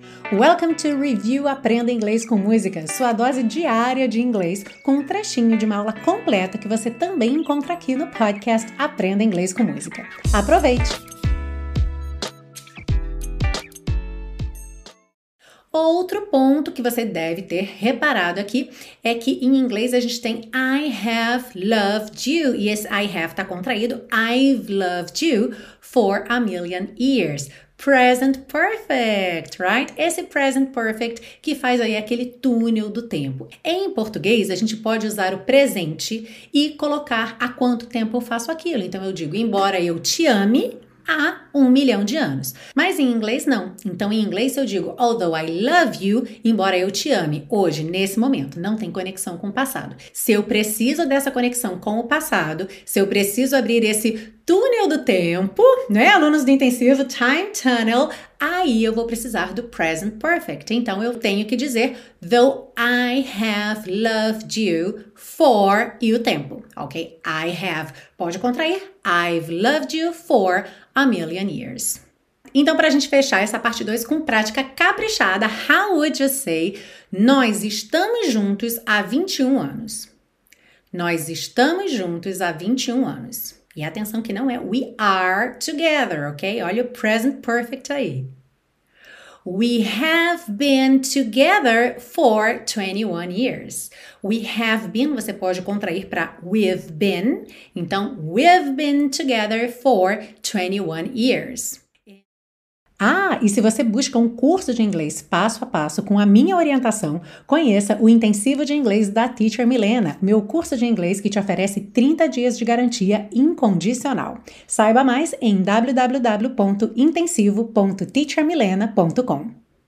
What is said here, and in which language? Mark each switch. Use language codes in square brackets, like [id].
[en] Welcome to [pt] Review Aprenda Inglês com Música, sua dose diária de inglês, com um trechinho de uma aula completa que você também encontra aqui no podcast Aprenda Inglês com Música. Aproveite! Outro ponto que você deve ter reparado aqui é que em inglês a gente tem [en] I have loved you. [pt] E esse [en] I have [pt] tá contraído. [en] I've loved you for a million years. Present perfect, right? [pt] Esse present perfect que faz aí aquele túnel do tempo. Em português, a gente pode usar o presente e colocar há quanto tempo eu faço aquilo. Então eu digo, embora eu te ame, há 1 milhão de anos. Mas em inglês, não. Então, em inglês, eu digo, [en] although I love you, [pt] embora eu te ame, hoje, nesse momento, não tem conexão com o passado. Se eu preciso dessa conexão com o passado, se eu preciso abrir esse túnel do tempo, né, alunos do intensivo, time tunnel, aí eu vou precisar do present perfect. Então, eu tenho que dizer, [en] though I have loved you for, [pt] e o tempo, ok? [en] I have, [pt] pode contrair, [en] I've loved you for a million years. [pt] Então, para a gente fechar essa parte 2 com prática caprichada, [en] how would you say, [pt] nós estamos juntos há 21 anos? Nós estamos juntos há 21 anos. E atenção que não é [en] we are together, [pt] ok? Olha o present perfect aí. [en] We have been together for 21 years. We have been, [pt] você pode contrair para [en] we've been. Então, we've been together for 21 years. [pt] Ah, e se você busca um curso de inglês passo a passo com a minha orientação, conheça o Intensivo de Inglês da Teacher Milena, meu curso de inglês que te oferece 30 dias de garantia incondicional. Saiba mais em www.intensivo.teachermilena.com.